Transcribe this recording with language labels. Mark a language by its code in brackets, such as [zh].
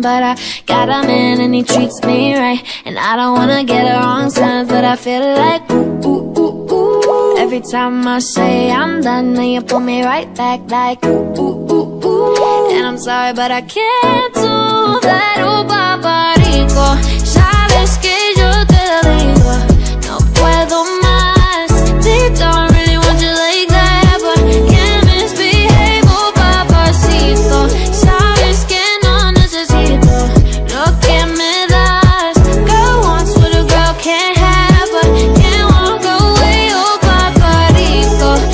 [en] But I got a man and he treats me right, and I don't wanna get the wrong signs. But I feel like ooh, ooh, ooh, ooh, every time I say I'm done, then you pull me right back like ooh, ooh, ooh. And I'm sorry, but I can't do that, oh, [es] papa rico. Sabes que yo te digo, no puedo más. [en] Deep down, really want you like that, but can't misbehave, oh, papacito. [es] Sabes que no necesito lo que me das. [en] Girl wants what a girl can't have, but can't walk away, oh, [es] papa rico.